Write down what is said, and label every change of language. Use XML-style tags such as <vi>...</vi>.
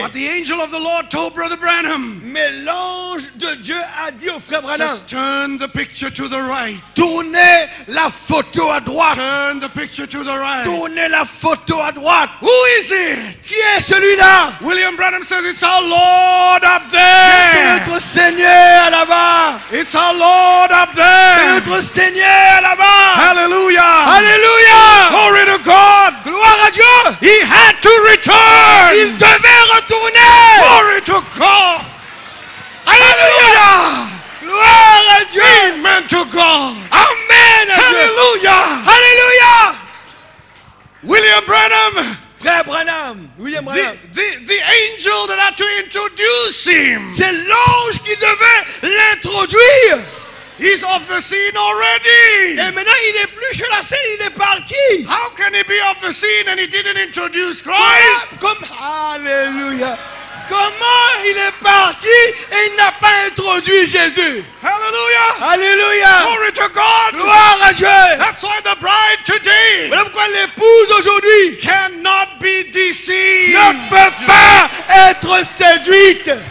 <en>But the angel of the Lord told Brother Branham.</en> <fr>Mais l'ange de Dieu a dit au frère Branham.</fr> <en>Just turn the picture to the right.</en> <fr>Tournez la photo à droite.</fr> <en>Turn the picture to the right.</en> <fr>Tournez la photo à droite.</fr> <en>Who is it?</en> <fr>Qui est celui-là?</fr> <en>William Branham says it's our Lord up there.</en> <fr>C'est notre Seigneur là-bas.</fr> <en>It's our Lord up there.</en> <fr>C'est notre Seigneur là-bas.</fr> <en>Hallelujah.</en> <fr>Hallelujah.</fr> <en>Glory to God.</en> <fr>Gloire à Dieu.</fr> <en>He had to return.</en> <fr>Il devait retourner.</fr> <en>Glory to God.</en> <fr>Hallelujah. Gloire à Dieu.</fr> <en>Amen to God.</en> <fr>Amen.</fr> <en>Hallelujah.</en> <fr>Hallelujah.</fr> <en>William Branham.</en> <fr>Frère Branham. William Branham.</fr> <en>The angel that had to introduce him.</en> <fr>C'est l'ange qui devait l'introduire.</fr> <en>He's off the scene already.</en> <fr>Et maintenant il est plus sur la scène, il est parti.</fr> <en>How can he be off the scene and he didn't introduce Christ? Hallelujah.</en> <fr>Comment il est parti et il n'a pas introduit Jésus? Hallelujah. Hallelujah.</fr> <en>Glory to God.</en> <fr>Gloire à Dieu.</fr> <en>That's why the bride today.</en> <fr>Voilà pourquoi l'épouse aujourd'hui</fr> <en>cannot be deceived.</en> <fr>Ne peut pas être séduite.</fr>